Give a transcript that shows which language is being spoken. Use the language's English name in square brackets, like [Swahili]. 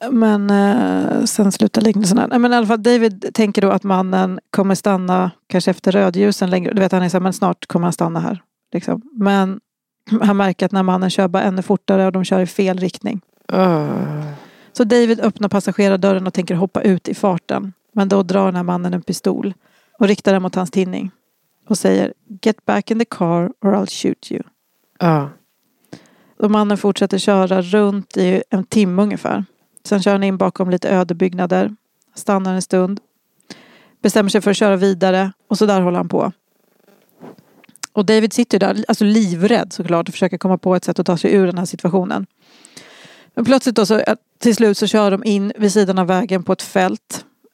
[Swedish] Men sen slutar liknelsen här. Nej, men i alla fall, David tänker då att mannen kommer stanna kanske efter rödljusen längre. Du vet, han är så här, men snart kommer han stanna här. Liksom. Men han märker att när mannen kör bara ännu fortare och de kör i fel riktning. Så David öppnar passagerardörren och tänker hoppa ut i farten. Men då drar den här mannen en pistol och riktar den mot hans tinning. Och säger, [English] get back in the car or I'll shoot you. Ja. [Swedish] Och mannen fortsätter köra runt i en timme ungefär. Sen kör han in bakom lite ödebyggnader. Stannar en stund. Bestämmer sig för att köra vidare. Och så där håller han på. Och David sitter där, alltså livrädd såklart. Och försöker komma på ett sätt att ta sig ur den här situationen. Men plötsligt då så, till slut så kör de in vid sidan av vägen på ett fält.